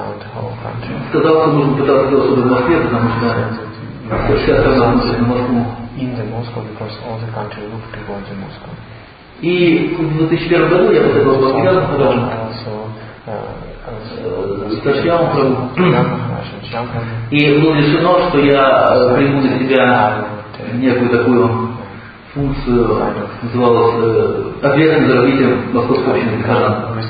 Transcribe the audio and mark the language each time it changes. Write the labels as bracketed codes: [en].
[ru] Сказал, что нужно пытаться делать что-то в Москве, потому что вся страна относится к Москве. [en] In the Moscow, because all the country looked towards the Moscow. [ru] И в 2001 году я посетил Москву. И было решено, что я приму на себя некую такую функцию, называлась ответственным за развитие московского общины прихожан.